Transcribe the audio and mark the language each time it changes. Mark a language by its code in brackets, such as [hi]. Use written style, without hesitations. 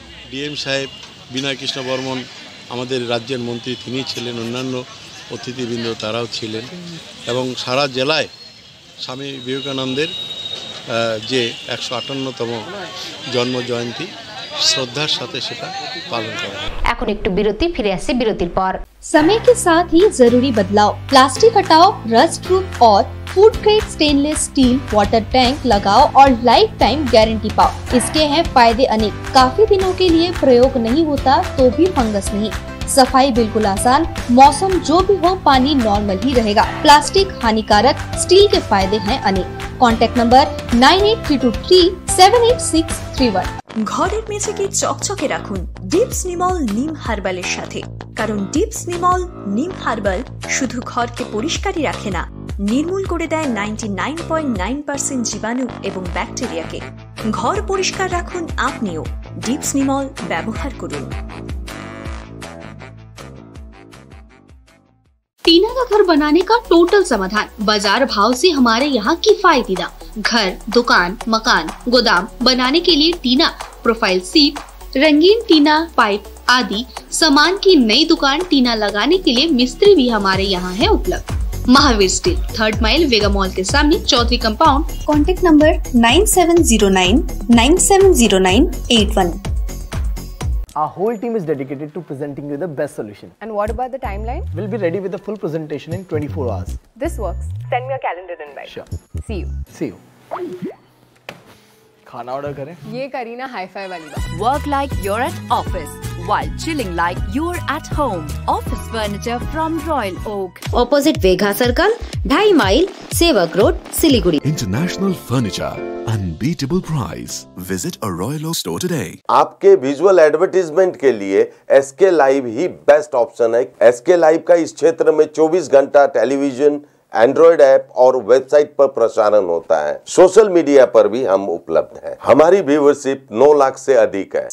[bn] DM সাহেব বিনয় কৃষ্ণ বর্মন আমাদের রাজ্যের মন্ত্রী তিনি ছিলেন, অন্যান্য অতিথিবৃন্দ তারাও ছিলেন, এবং সারা জেলায় স্বামী বিবেকানন্দের যে 158তম জন্ম জয়ন্তী শ্রদ্ধার সাথে সেটা পালন করা। এখন একটু বিরতি, ফিরে আসি বিরতির পর। [hi] समय के साथ ही जरूरी बदलाव, प्लास्टिक हटाओ, रस्ट प्रूफ और food grade stainless still water tank लगाओ और लाइफ टाइम गारंटी पाओ। इसके हैं फायदे अनेक, काफी दिनों के लिए प्रयोग नहीं होता तो भी फंगस नहीं, सफाई बिल्कुल आसान, मौसम जो भी हो पानी नॉर्मल ही रहेगा। प्लास्टिक हानिकारक, स्टील के फायदे हैं अनेक। Contact number 9832378631। [bn] ঘরের মেঝেকে চকচকে রাখুন ডিপস নিমল নিম হার্বালের সাথে, কারণ ডিপস নিমল নিম হার্বাল শুধু ঘরকে পরিষ্কারই রাখে না, নির্মূল করে দেয় 99.9% জীবাণু এবং ব্যাকটেরিয়াকে। ঘর পরিষ্কার রাখুন আপনিও, ডিপস নিমল ব্যবহার করুন। [hi] टीना का घर बनाने का टोटल समाधान, बाजार भाव से हमारे यहाँ किफायती दाम, घर दुकान मकान गोदाम बनाने के लिए टीना, प्रोफाइल सीट, रंगीन टीना पाइप आदि सामान की नई दुकान टीना लगाने के लिए मिस्त्री भी हमारे यहाँ है उपलब्ध। महावीर स्टील, थर्ड माइल वेगा मॉल के सामने, Chaudhary compound. Contact number 9709970981। [en] Our whole team is dedicated to presenting you the best solution. And what about the timeline? We'll be ready with a full presentation in 24 hours. This works. Send me a calendar invite. Sure. See you. See you. [hi] Khana order kare. Ye Kareena hi-fi wali baat. [en] Work like you're at office, while chilling like you're at home. Office furniture from Royal Oak. Opposite Vega Circle, 2.5 mile, Sevak Road, Siliguri. International furniture. Unbeatable price. Visit a Royal Oak store today. [hi] आपके visual advertisement के लिए SK Live ही best option है. SK Live का इस क्षेत्र में 24 घंटा television, Android app और वेबसाइट पर प्रसारण होता है. सोशल मीडिया पर भी हम उपलब्ध हैं. हमारी व्यूअरशिप 9 लाख से अधिक है.